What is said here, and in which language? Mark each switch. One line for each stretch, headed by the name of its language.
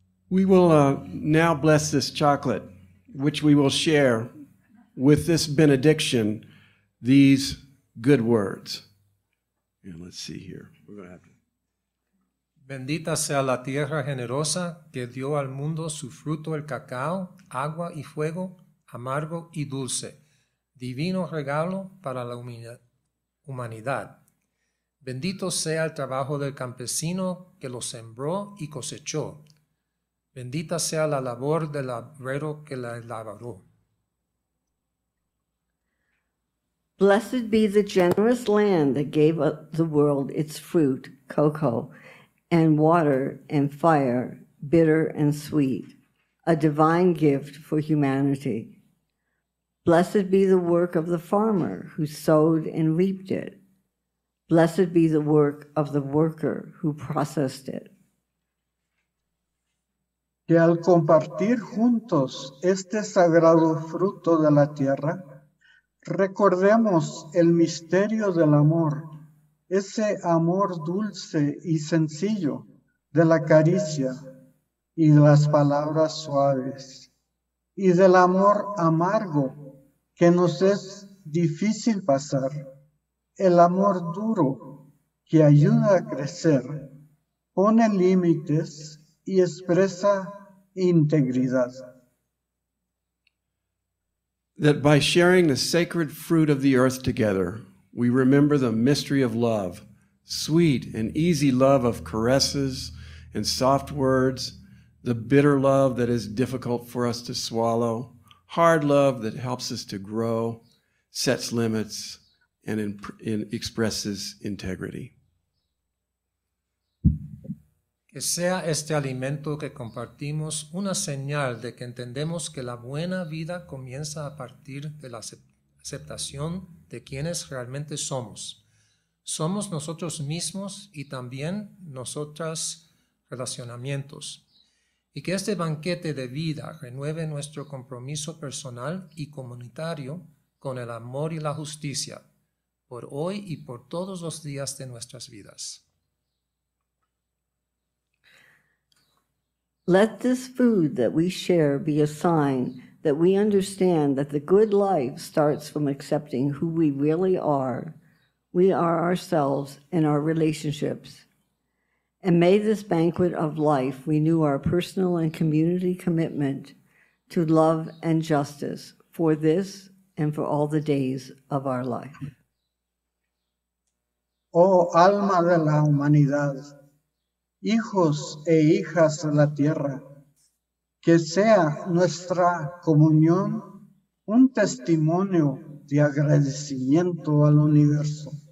English: We will now bless this chocolate, which we will share with this benediction, these good words. And let's see here. We're going to have to.
Spanish: Bendita sea la tierra generosa que dio al mundo su fruto el cacao, agua y fuego, amargo y dulce, divino regalo para la humanidad. Bendito sea el trabajo del campesino que lo sembró y cosechó. Bendita sea la labor del obrero que la elaboró.
English: Blessed be the generous land that gave the world its fruit, cocoa, and water and fire, bitter and sweet, a divine gift for humanity. Blessed be the work of the farmer who sowed and reaped it. Blessed be the work of the worker who processed it.
Spanish: Que al compartir juntos este sagrado fruto de la tierra, recordemos el misterio del amor, ese amor dulce y sencillo de la caricia y de las palabras suaves, y del amor amargo que nos es difícil pasar, el amor duro que ayuda a crecer, pone límites y expresa integridad.
English: That by sharing the sacred fruit of the earth together, we remember the mystery of love, sweet and easy love of caresses and soft words, the bitter love that is difficult for us to swallow, hard love that helps us to grow, sets limits, and expresses integrity.
Spanish: Que sea este alimento que compartimos una señal de que entendemos que la buena vida comienza a partir de la aceptación de quienes realmente somos. Somos nosotros mismos y también nosotras relacionamientos. Y que este banquete de vida renueve nuestro compromiso personal y comunitario con el amor y la justicia, por hoy y por todos los días de nuestras vidas.
English: Let this food that we share be a sign that we understand that the good life starts from accepting who we really are. We are ourselves and our relationships. And may this banquet of life renew our personal and community commitment to love and justice for this and for all the days of our life.
Spanish: Oh, alma de la humanidad, hijos e hijas de la tierra, que sea nuestra comunión un testimonio de agradecimiento al universo.